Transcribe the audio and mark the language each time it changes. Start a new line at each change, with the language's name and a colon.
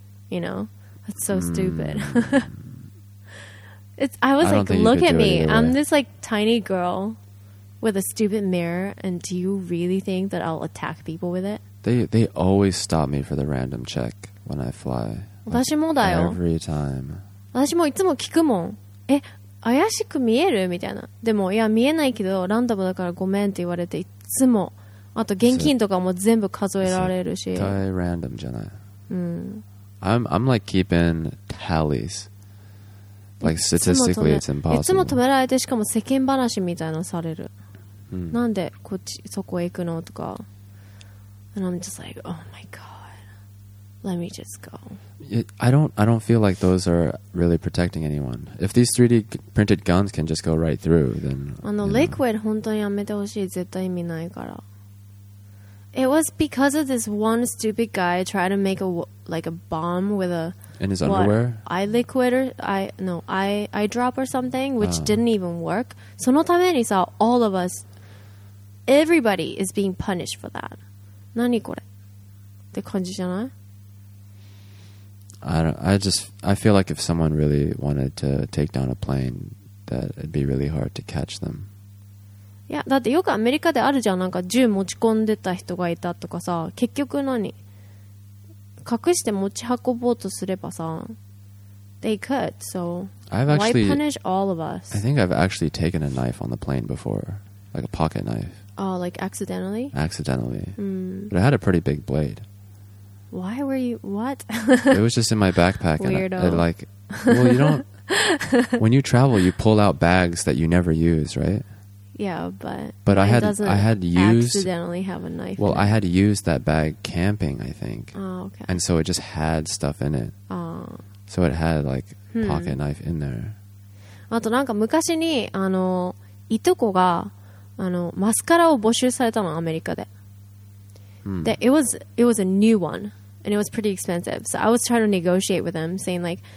English: You know? That's so stupid. It's, I was I like, look at me, I'm this like tiny girlWith a stupid mirror, and do you really think that I'll attack people with it? They always stop me for the random check when I fly.
Japanese: 私もだよ。
English: Every time.
Japanese: 私もいつも聞くもん。え、怪しく見えるみたいな。でも、いや、見えないけど、ランダムだからごめんって言われて、いつも。あと、現金とかも全部数えられるし。絶対random じゃない。うん。
English: I'm like keeping tallies. Like statistically, it's impossible.
Japanese: いつも止められて、しかも世間話みたいなのされる。なんでこっちそこへ行くのとか。
English: And I'm just like, oh my god, let me just go. I don't feel like those are really protecting anyone. If these 3D printed guns can just go right through, then.
Japanese: あの liquid 本当にやめてほしい。絶対意味ないから。
English: It was because of this one stupid guy trying to make a bomb with a. In his underwear? What, eye liquid or eye drop or something, which didn't even work.
Japanese: そのためにさ、
English: all of us, everybody is being punished for that.
Japanese: 何これ？って感じじゃない？
English: I feel like if someone really wanted to take down a plane, that it'd be really hard to catch them.
Japanese: いやだってよくアメリカであるじゃん、なんか銃持ち込んでた人がいたとかさ、結局何隠して持ち運ぼうとすればさ
English: They could, so why punish all of us? I think I've actually taken a knife on the plane before. Like a pocket knife. Oh, like accidentally? Accidentally. But it had a pretty big blade. Why were you... What? It was just in my backpack. Weirdo. And I like... Well, you don't... When you travel, you pull out bags that you never use, right? Yeah, but... But I had... I had used... accidentally have a knife. Well, I had used that bag camping, I think. Oh, okay. And so it just had stuff in it. Oh. So it had like pocket knife in there.
Japanese: あとなんか昔にあのいとこがあのマスカラを募集されたのアメリカで。
English: で、it was a new one and it was pretty expensive. So I was trying to negotiate with them, saying like,